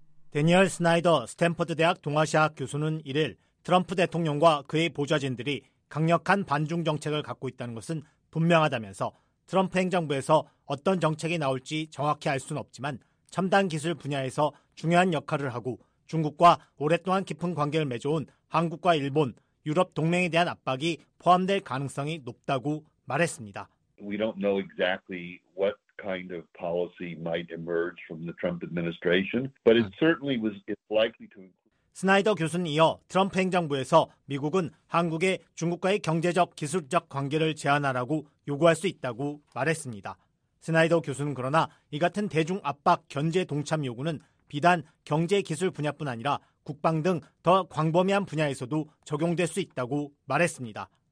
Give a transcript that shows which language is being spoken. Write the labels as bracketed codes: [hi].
[ko] 대니얼 스나이더 스탠퍼드 대학 동아시아학 교수는 이를 트럼프 대통령과 그의 보좌진들이 강력한 반중 정책을 갖고 있다는 것은 분명하다면서 트럼프 행정부에서 어떤 정책이 나올지 정확히 알 수는 없지만 첨단 기술 분야에서 중요한 역할을 하고 중국과 오랫동안 깊은 관계를 맺어온 한국과 일본, 유럽 동맹에 대한 압박이 포함될 가능성이 높다고 말했습니다. [en] We don't know exactly what kind of policy might emerge from the Trump administration, but it certainly was it's likely to include. [ko] 스나이더 교수는 이어 트럼프 행정부에서 미국은 한국의 중국과의 경제적 기술적 관계를 제한하라고 요구할 수 있다고 말했습니다. 스나이더 교수는 그러나 이 같은 대중 압박 견제 동참 요구는 비단 경제 기술 분야뿐 아니라 국방 등 더 광범위한 분야에서도 적용될 수 있다고 말했습니다.